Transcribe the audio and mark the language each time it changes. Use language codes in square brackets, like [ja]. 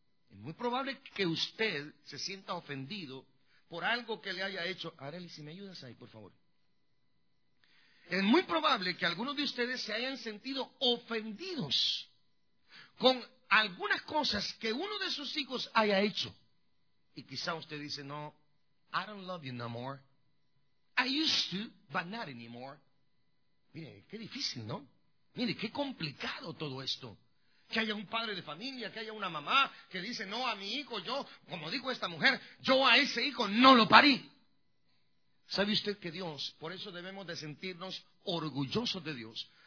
[es] Es muy probable que usted se sienta ofendido por algo que le haya hecho. Arely, si me ayudas ahí, por favor. Es muy probable que algunos de ustedes se hayan sentido ofendidos con algunas cosas que uno de sus hijos haya hecho. Y quizá usted dice, no, [en] I don't love you no more. I used to, but not anymore. [es] Mire, qué difícil, ¿no? Mire, qué complicado todo esto. Que haya un padre de familia, que haya una mamá que dice, no, a mi hijo, yo, como dijo esta mujer, yo a ese hijo no lo parí. ¿Sabe usted que Dios, por eso debemos de sentirnos orgullosos de Dios?